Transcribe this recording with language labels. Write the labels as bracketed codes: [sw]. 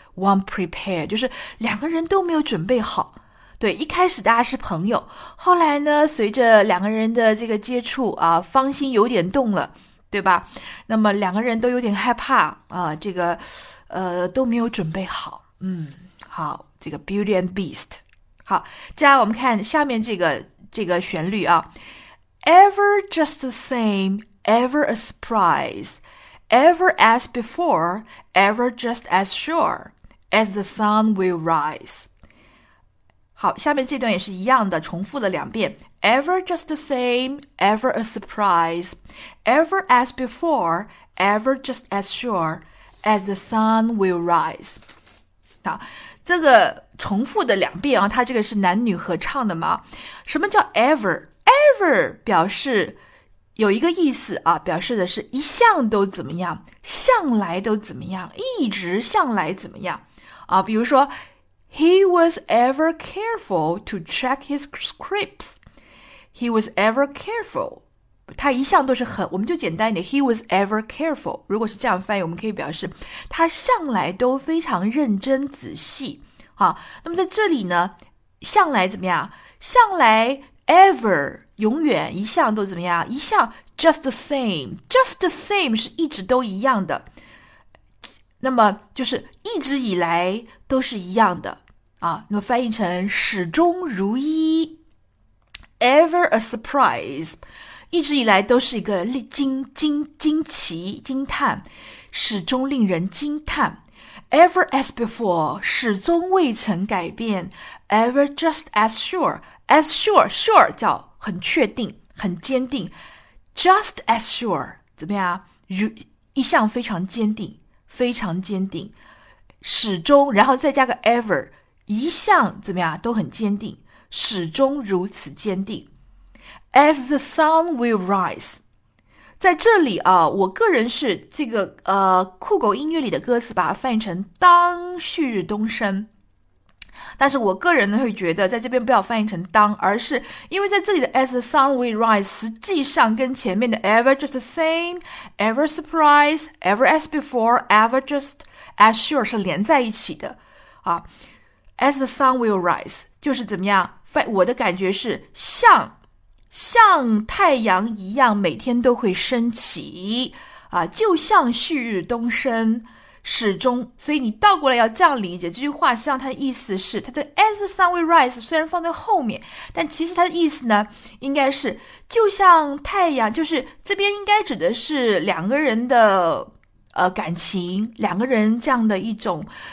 [en] One prepared [zh] 就是两个人都没有准备好。对，一开始大家是朋友，后来呢，随着两个人的这个接触啊，芳心有点动了，对吧？那么两个人都有点害怕啊，这个都没有准备好。 [en] 好，这个 Beauty and Beast。 [zh] 好，接下来我们看下面这个旋律啊， [en] Ever just the same, ever a surprise, ever as before, ever just as sure。 As the sun will rise。 [zh] 好，下面这段也是一样的，重复了两遍。 [en] Ever just the same, ever a surprise, ever as before, ever just as sure, as the sun will rise。 [zh] 好，这个重复的两遍啊，它这个是男女合唱的嘛？什么叫 ever？ever 表示有一个意思啊，表示的是一向都怎么样，向来都怎么样，一直向来怎么样。 [en] 啊，比如说，He was ever careful to check his scripts. He was ever careful. [zh] 他一向都是很，我们就简单一点， [en] He was ever careful. [zh] 如果是这样翻译，我们可以表示他向来都非常认真仔细。啊，那么在这里呢，向来怎么样？向来 ever 永远一向都怎么样？一向 [en] just the same， [zh] just the same 是一直都一样的。那么就是一直以来都是一样的啊，那么翻译成始终如一 [en] ever a surprise， [zh] 一直以来都是一个惊奇、惊叹，始终令人惊叹。 [en] Ever as before， [zh] 始终未曾改变。 [en] Ever just as sure [zh] 叫很确定、很坚定。 Just as sure 怎么样？如一向非常坚定，非常坚定，始终，然后再加个 ever，一向怎么样？都很坚定，始终如此坚定。 [en] As the sun will rise， [zh] 在这里啊，我个人是这个酷狗音乐里的歌词，把它翻译成"当旭日东升"。但是我个人呢会觉得，在这边不要翻译成当，而是因为在这里的 [en] as the sun will rise，实际上跟前面的 ever just the same，ever surprise，ever as before，ever just as sure [zh] 是连在一起的啊。 [en] As the sun will rise 就是怎么样？ [zh] 我的感觉是像太阳一样，每天都会升起啊，就像旭日东升。始终，所以你倒过来要这样理解这句话，实际上它的意思是，它的 [en] as the sun will rise [zh] 虽然放在后面，但其实它的意思呢，应该是就像太阳，就是这边应该指的是两个人的感情，两个人这样的一种